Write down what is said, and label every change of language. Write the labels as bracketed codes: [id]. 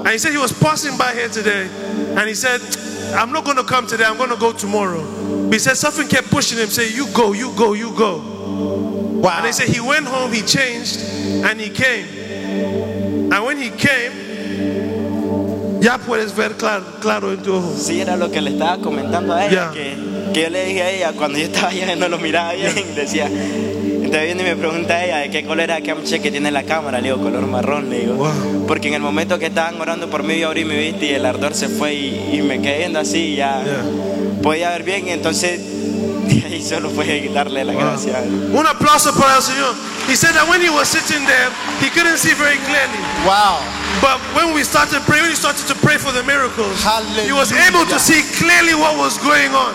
[en] And he said he was passing by here today, and he said, I'm not going to come today, I'm going to go tomorrow. But he said something kept pushing him, saying, you go. Wow. And he said he went home, he changed, and he came. And when he came, [es] ya puedes ver claro en tu ojo. Sí, era lo que le estaba comentando a ella, yeah. que yo le dije a ella cuando yo estaba allá, no lo miraba bien, yeah. Decía, entonces viene y me pregunta a ella de qué color era que amche que tiene la cámara, le digo, color marrón, le digo. Wow. Porque en el momento que estaban orando por mí, yo abrí mi vista y el ardor se fue y me quedé viendo así, ya, yeah. Podía ver bien, y entonces ahí solo fue darle la, wow, gracia. Un aplauso para el Señor. [en] He said that when he was sitting there, he couldn't see very clearly. Wow. But when we started praying, when he started to pray for the miracles, hallelujah, he was able to see clearly what was going on.